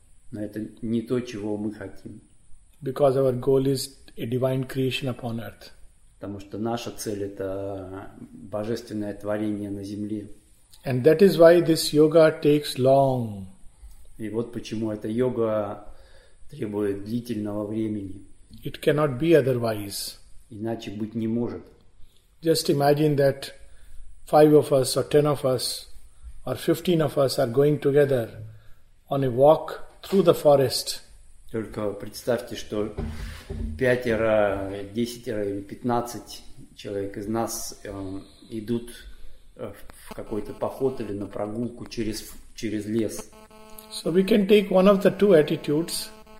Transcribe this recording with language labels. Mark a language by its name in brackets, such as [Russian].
[Russian] Но это не то, чего мы хотим. [English] Because our goal is a divine creation upon earth. [Russian] Потому что наша цель – это божественное творение на земле. [English] And that is why this yoga takes long. [Russian] И вот почему эта йога требует длительного времени. [English] It cannot be otherwise. [Russian] Иначе быть не может. [English] Just imagine that 5 of us or 10 of us or 15 of us are going together on a walk through the forest. [Russian] Только представьте, что 5, 10 или 15 человек из нас идут в какой-то поход или на прогулку через лес. [English] So we can take one of the two attitudes.